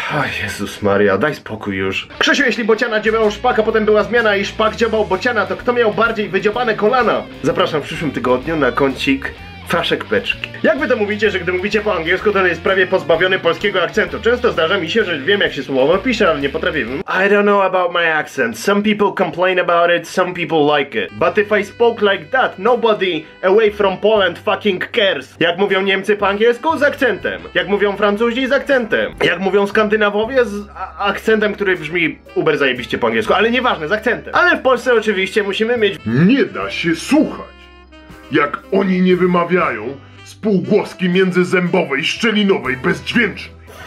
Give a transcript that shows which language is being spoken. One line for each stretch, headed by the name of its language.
Polish: A Jezus Maria, daj spokój już. Krzysiu, jeśli bociana dziobała szpaka, potem była zmiana i szpak dziobał bociana, to kto miał bardziej wydziobane kolana? Zapraszam w przyszłym tygodniu na kącik Faszek Peczki. Jak wy to mówicie, że gdy mówicie po angielsku, to on jest prawie pozbawiony polskiego akcentu? Często zdarza mi się, że wiem jak się słowo pisze, ale nie potrafiłem.
English: I don't know about my accent. Some people complain about it, some people like it. But if I spoke like that, nobody away from Poland fucking cares.
Polish: Jak mówią Niemcy po angielsku? Z akcentem. Jak mówią Francuzi? Z akcentem. Jak mówią Skandynawowie? Z akcentem, który brzmi uber zajebiście po angielsku. Ale nieważne, z akcentem. Ale w Polsce oczywiście musimy mieć... Nie da się słuchać. Jak oni nie wymawiają spółgłoski międzyzębowej, szczelinowej, bezdźwięcznej.